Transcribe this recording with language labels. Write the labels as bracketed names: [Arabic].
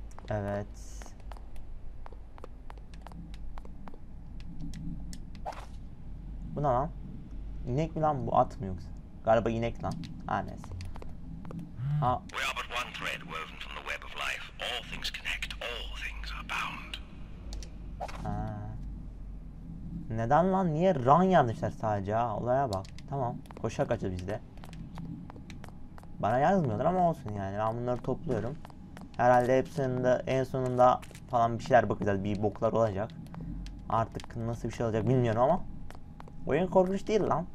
[Turkish] Evet. Bu ne lan? İnek mi lan bu, at mı yoksa? Galiba inek lan. Ha neyse. Ha. [English] We are but one thread woven from the web of life. All things connect, all things are bound. [Turkish] Ha. Neden lan? Niye run yazmışlar sadece ha? Olaya bak. Tamam. Koşa kaça bizde. Bana yazmıyorlar ama olsun yani. Ben bunları topluyorum. Herhalde hepsinin de en sonunda falan bir şeyler bakacağız. Bir boklar olacak. Artık nasıl bir şey olacak bilmiyorum ama. Oyun korkunç değil lan.